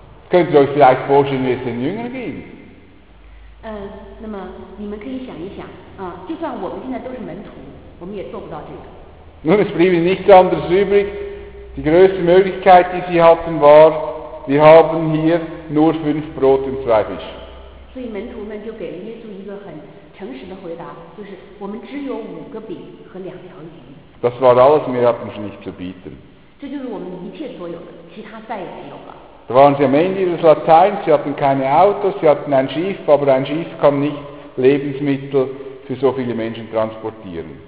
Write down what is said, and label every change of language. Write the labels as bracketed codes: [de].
[de] Könnt ihr euch vielleicht vorstellen, wie es den Jüngern ging? [zh] 那么你们可以想一想啊，就算我们现在都是门徒，我们也做不到这个。 [de] Nun, es blieb nichts anderes übrig. Die größte Möglichkeit, die sie hatten, war, wir haben hier nur 5 Brot und 2 Fische. [zh] 所以门徒们就给了耶稣一个很诚实的回答，就是我们只有五个饼和两条鱼。 [de] Das war alles, wir hatten schon nichts zu bieten. [zh] 这就是我们一切所有的，其他再也没有了。 [de] Da waren sie am Ende ihres Lateins, sie hatten keine Autos, sie hatten ein Schiff, aber ein Schiff kann nicht Lebensmittel für so viele Menschen transportieren.